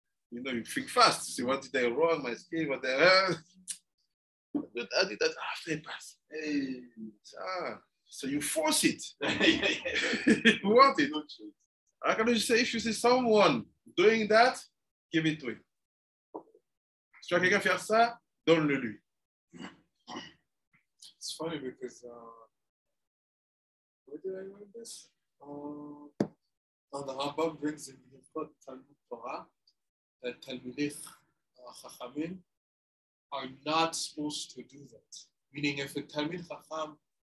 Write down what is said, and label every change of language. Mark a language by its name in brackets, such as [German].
[English] You know, you think fast. See, what did I wrong? My skin, what the hell? But I did that after it passed. Hey. So you force it. You want it. I can just say, if you see someone doing that, give it to him. [French] Si quelqu'un veut faire ça, donne-le lui. [English] It's funny because, where did I learn this? On the Rambam brings in the book, Talmud Torah. That Talmudich Chachamim are not supposed to do that. Meaning, if a Talmud Chacham